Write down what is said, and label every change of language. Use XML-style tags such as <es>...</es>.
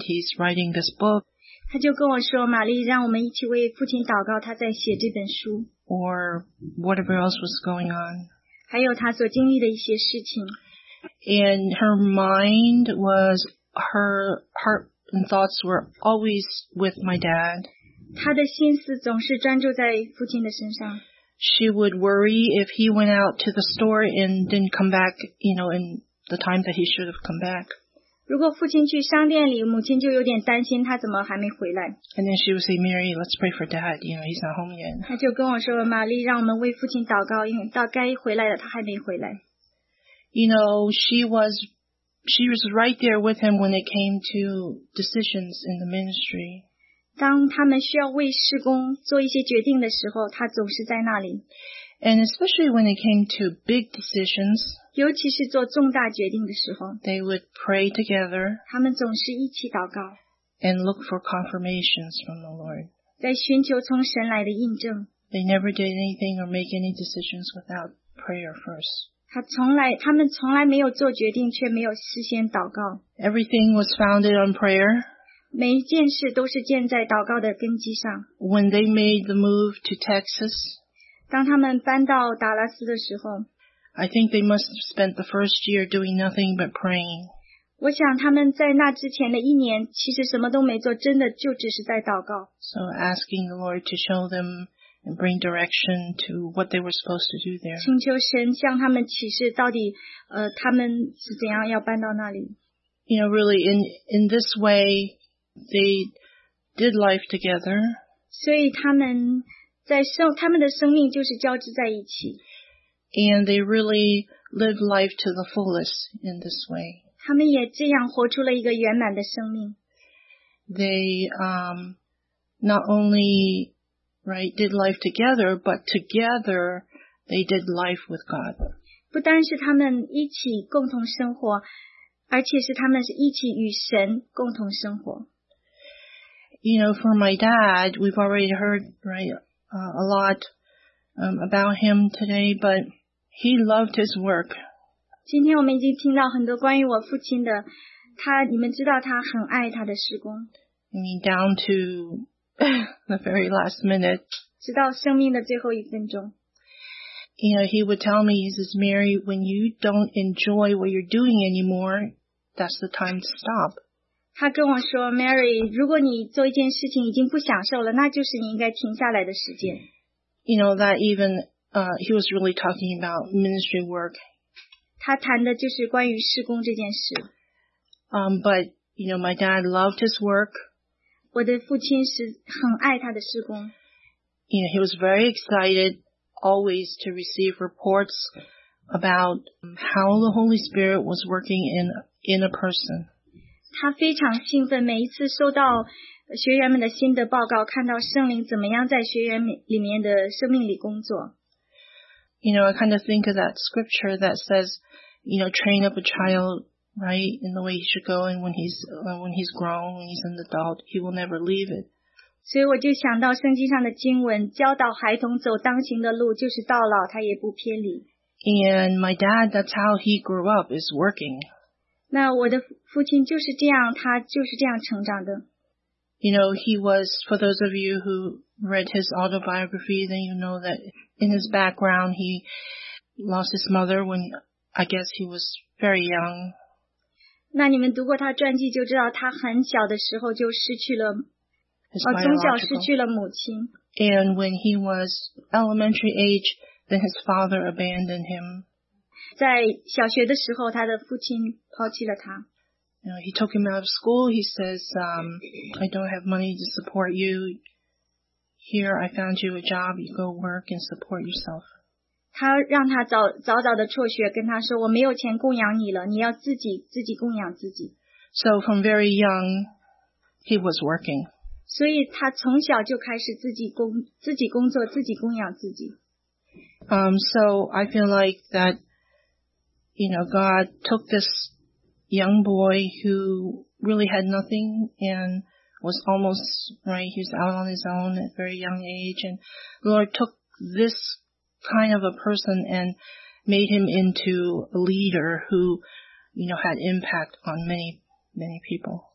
<en>He's writing this book.</en> <zh>她就跟我说，玛丽，让我们一起为父亲祷告，他在写这本书。</zh> <en>Or whatever else was going on.</en> <zh>还有她所经历的一些事情。</zh> <en>And her mind was, her heart and thoughts were always with my dad.</en> <zh>她的心思总是专注在父亲的身上。</zh> <en>She would worry if he went out to the store and didn't come back, you know, in the time that he should have come back.</en> <zh>如果父亲去商店里，母亲就有点担心他怎么还没回来。</zh> <en>And then she would say, Mary, let's pray for Dad. You know, he's not home yet.</en> <zh>他就跟我说，玛丽，让我们为父亲祷告，因为到该回来了，他还没回来。</zh> <en>You know, she was right there with him when it came to decisions in the ministry.</en> <zh>当他们需要为事工做一些决定的时候，他总是在那里。</zh> <en>And especially when it came to big decisions,</en> <zh>尤其是做重大决定的时候，</zh> <en>they would pray together,</en> <zh>他们总是一起祷告，</zh> <en>and look for confirmations from the Lord,</en> <zh>在寻求从神来的印证。</zh> <en>They never did anything or make any decisions without prayer first.</en> <zh>他们从来没有做决定，却没有事先祷告。</zh> <en>Everything was founded on prayer.</en> <zh>每一件事都是建在祷告的根基上。</zh> <en>When they made the move to Texas,</en> <zh>当他们搬到达拉斯的时候，</zh> <en>I think they must have spent the first year doing nothing but praying.</en> <zh>我想他们在那之前的一年其实什么都没做，真的就只是在祷告。</zh> <en>So asking the Lord to show them and bring direction to what they were supposed to do there.</en> <zh>请求神向他们启示到底他们是怎样要搬到那里。</zh> <en>You know, really, in this way, they did life together.</en> <zh>所以他们在生他们的生命就是交织在一起。</zh> <en>And they really lived life to the fullest in this way.</en> <zh>他们也这样活出了一个圆满的生命。</zh> <en>They not only right did life together, but together they did life with God.</en> <zh>不单是他们一起共同生活，而且是他们是一起与神共同生活。</zh> <en>You know, for my dad, we've already heard, right, a lot about him today, but he loved his work.</en> <zh>今天我们已经听到很多关于我父亲的，他，你们知道他很爱他的事工。</zh> <en>I mean, down to the very last minute.</en> <zh>直到生命的最后一分钟。</zh> <en>You know, he would tell me, he says, Mary, when you don't enjoy what you're doing anymore, that's the time to stop.</en> <zh>他跟我说 ，Mary， 如果你做一件事情已经不享受了，那就是你应该停下来的时间。</zh> <en>You know that even he was really talking about ministry work.</en> <zh>他谈的就是关于事工这件事。</zh> <en>But you know, my dad loved his work.</en> <zh>我的父亲是很爱他的事工。</zh> <en>You know, he was very excited always to receive reports about how the Holy Spirit was working in a person.</en> <zh>他非常兴奋，每一次收到学员们的新的报告，看到圣灵怎么样在学员里面的生命里工作。</zh> <en>You know, I kind of think of that scripture that says, you know, train up a child, right, in the way he should go, and when he's grown, when he's an adult, he will never leave it.</en> <zh>所以我就想到圣经上的经文，教导孩童走当行的路，就是到老他也不偏离。</zh> <en>And my dad, that's how he grew up, is working.</en> <zh>那我的父亲就是这样，他就是这样成长的。</zh> <en>You know, he was, for those of you who read his autobiography, then you know that in his background, he lost his mother when, I guess, he was very young.</en> <zh>那你们读过他传记就知道他很小的时候就失去了，从小失去了母亲。</zh> <en>And when he was elementary age, then his father abandoned him.</en> <zh>在小学的时候他的父亲抛弃了他。</zh> <en>You know, he took him out of school. He says, I don't have money to support you. Here, I found you a job. You go work and support yourself.</en> <zh>他让他早早的辍学，跟他说，我没有钱供养你了，你要自己供养自己。</zh> <en>So from very young, he was working.</en> <zh>所以他从小就开始自己工作，自己供养自己。</zh> <en>So I feel like that, you know, God took this young boy who really had nothing and was almost, right, he was out on his own at a very young age. And the Lord took this kind of a person and made him into a leader who, you know, had impact on many, many people.</en>